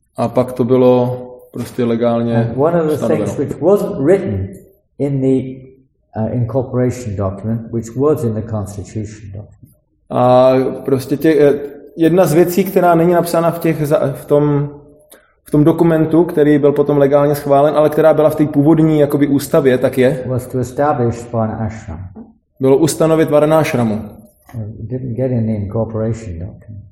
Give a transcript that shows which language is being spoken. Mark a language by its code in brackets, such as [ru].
[cs] A pak to bylo prostě legálně. [en] And one of the things which wasn't written in the incorporation document, which was in the constitution document. [cs] A prostě jedna z věcí, která není napsána v tom dokumentu, který byl potom legálně schválen, ale která byla v té původní jakoby ústavě, tak je. [en] Was to establish Varna Ashram. [cs] Bylo ustanovit Varna Ashramu. [en] Didn't get in the incorporation document.